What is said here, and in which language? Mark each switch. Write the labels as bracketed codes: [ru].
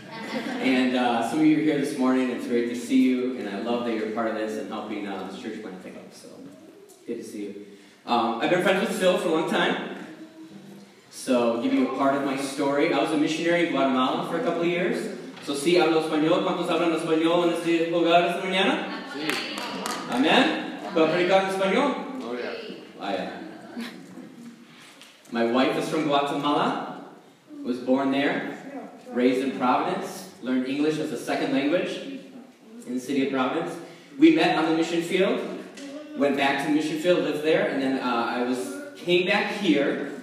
[en] And some of you are here this morning. It's great to see you. And I love that you're a part of this and helping this church plant pick up. So good to see you. I've been friends with Phil for a long time. So give you a part of my story. I was a missionary in Guatemala for a couple of years. So [es] si hablo español, ¿cuántos hablan español en este lugar esta mañana? Sí. Amen. ¿Puedo predicar en español? [en] Oh, yeah. Oh, yeah. My wife is from Guatemala, was born there, raised in Providence, learned English as a second language in the city of Providence. We met on the mission field, went back to the mission field, lived there, and then came back here.